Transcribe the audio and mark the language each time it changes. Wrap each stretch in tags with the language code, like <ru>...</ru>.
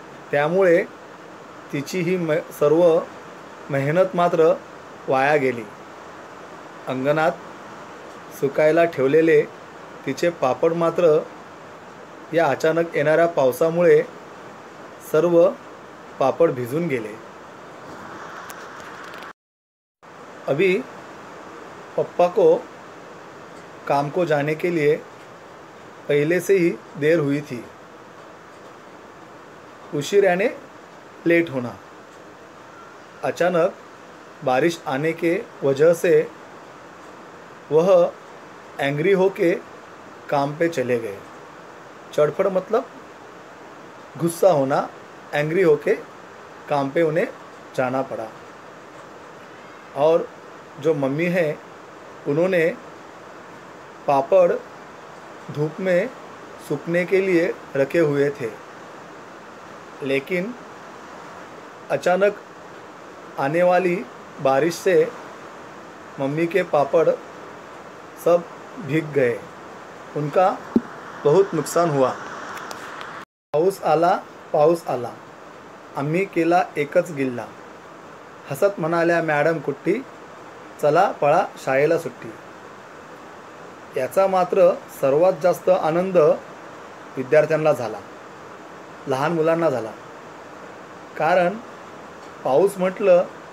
<mr>त्यामुळे तिची ही सर्व मेहनत मात्र वाया गेली। अंगणात सुकायला ठेवलेले तिचे पापड मात्र या अचानक येणाऱ्या पावसामुळे सर्व पापड भिजून गेले।</mr> <hi>अभी पप्पा को काम को जाने के लिए पहले से ही देर हुई थी, उशीर आने लेट होना। अचानक बारिश आने के वजह से वह एंग्री होके काम पे चले गए। चड़फड़ मतलब गुस्सा होना, एंग्री होके काम पे उन्हें जाना पड़ा। और जो मम्मी है उन्होंने पापड़ धूप में सूखने के लिए रखे हुए थे, लेकिन अचानक आने वाली बारिश से मम्मी के पापड़ सब भीग गए, उनका बहुत नुकसान हुआ।</hi> <mr>पाऊस आला पाऊस आला, आम्ही केला एकच गिल्ला, हसत म्हणाल्या मॅडम कुट्टी, चला पळा शाळेला सुट्टी। याचा मात्र सर्वात जास्त आनंद विद्यार्थ्यांना झाला, लहान मुलांना झाला, कारण पाऊस म्हटलं</mr>